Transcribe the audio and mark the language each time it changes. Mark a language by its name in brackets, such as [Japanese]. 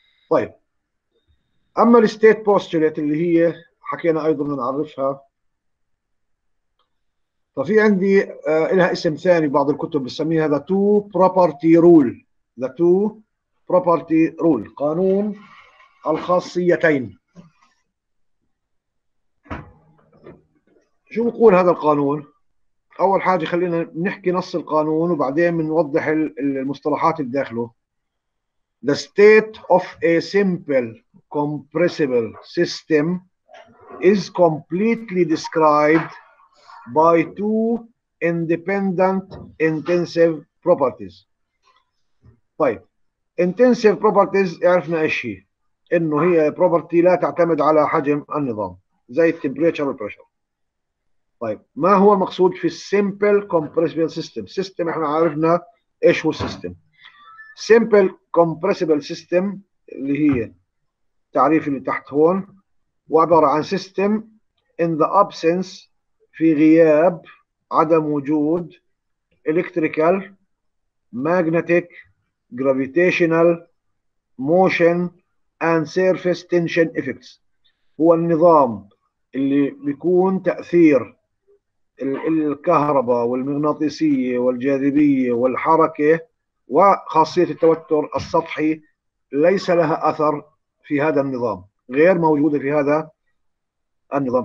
[Arabic] طيب اما الستيت بوستوليت اللي هي حكينا ايضا نعرفها، ففي عندي لها اسم ثاني بعض الكتب بسميها ذا تو بروبرتي رول، ذا تو بروبرتي رول، قانون الخاصيتين. شو بقول هذا القانون؟ أول حاجة خلينا نحكي نص القانون وبعدين بنوضح المصطلحات اللي داخله. [English] The state of a simple compressible system is completely described by two independent intensive properties. [Arabic] طيب intensive properties عرفنا ايش هي؟ انه هي property لا تعتمد على حجم النظام زي temperature والpressure. طيب ما هو المقصود في simple compressible system؟ system احنا عرفنا ايش هو system. [English] simple compressible system [Arabic] اللي هي التعريف اللي تحت هون، وعبارة عن [English] system in the absence، [Arabic] في غياب عدم وجود [English] electrical, magnetic, gravitational, motion and surface tension effects. [Arabic] هو النظام اللي بيكون تأثير الكهرباء والمغناطيسية والجاذبية والحركة وخاصية التوتر السطحي ليس لها أثر في هذا النظام، غير موجودة في هذا النظام.